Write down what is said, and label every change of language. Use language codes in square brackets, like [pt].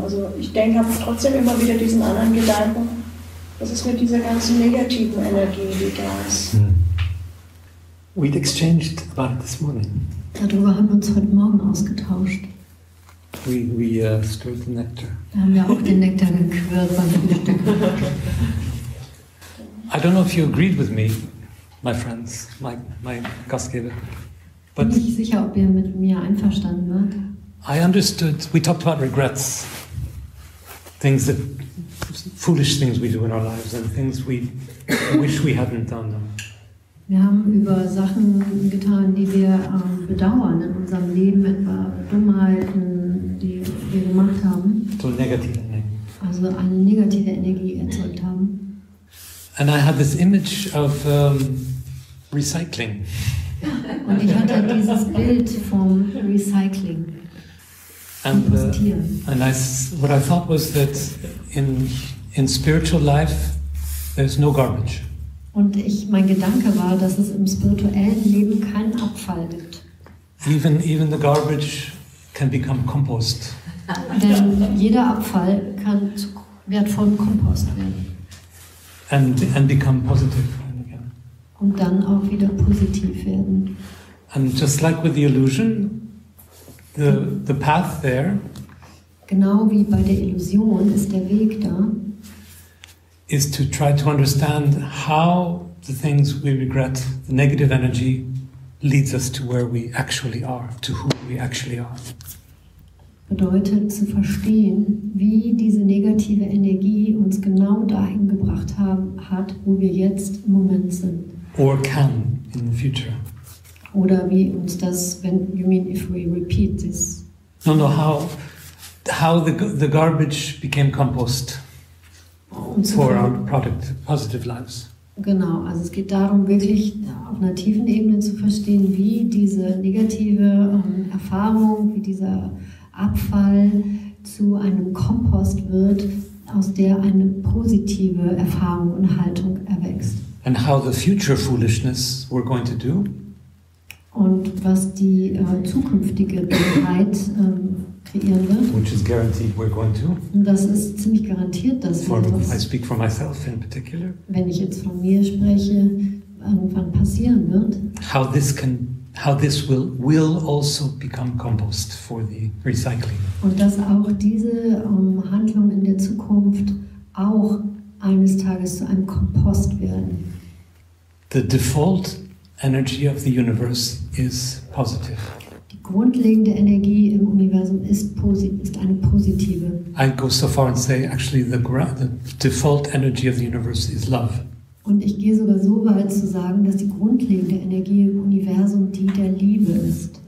[de] Also ich denke, habe trotzdem immer wieder diesen anderen Gedanken, was ist mit dieser ganzen negativen Energie, die da ist. [en] We'd exchanged about this morning. [de] Darüber haben wir uns heute Morgen ausgetauscht. [en] We stirred the nectar. [de] Da haben wir auch den Nektar gequirlt beim Frühstück. [en] I don't know if you agreed with me, my friends, my Gastgeber. [de] Bin nicht sicher, ob ihr mit mir einverstanden wart. [en] I understood. We talked about regrets, things that foolish things we do in our lives and things we wish we hadn't done them. [de] Wir haben über Sachen getan, die wir bedauern in unserem Leben, etwa Dummheiten, die wir gemacht haben. So negative Energie. Also eine negative Energie erzeugt haben. [en] And I had this image of recycling. [de] Und ich hatte dieses Bild vom Recycling. [en] And, and I, what I thought was that in spiritual life there's no garbage. [de] Und ich, mein Gedanke war, dass es im spirituellen Leben keinen Abfall gibt. [en] Even the garbage can become compost. [de] Denn jeder Abfall kann zu wertvollem Kompost werden. [en] And become positive again. [de] Und dann auch wieder positiv werden. [en] And just like with the illusion, the path there. [de] Genau wie bei der Illusion ist der Weg da. [en] Is to try to understand how the things we regret, the negative energy, leads us to where we actually are, to who we actually are. [de] Bedeutet zu verstehen, wie diese negative Energie uns genau dahin gebracht hat, wo wir jetzt im Moment sind. [en] Or can in the future. [de] Oder wie uns das, wenn, [en] you mean if we repeat this? No, how the garbage became compost. For our product, positive lives. [de] Genau, also es geht darum, wirklich auf einer tiefen Ebene zu verstehen, wie diese negative Erfahrung, wie dieser Abfall zu einem Kompost wird, aus der eine positive Erfahrung und Haltung erwächst. [en] And how the future foolishness we're going to do. [de] Und was die zukünftige Dummheit kreieren wird. [en] Which is guaranteed we're going to. [de] Und das ist ziemlich garantiert, dass wir das, [en] I speak for myself in particular. [de] Wenn ich jetzt von mir spreche, irgendwann passieren wird. [en] How this will also become compost for the recycling. [de] Und dass auch diese Handlung in der Zukunft auch eines Tages zu einem Kompost werden. [en] The default energy of the universe is positive. [de] Die grundlegende Energie im Universum ist eine positive. [en] I go so far and say actually the default energy of the universe is love. [de] Und ich gehe sogar so weit zu sagen, dass die grundlegende Energie im Universum die der Liebe ist.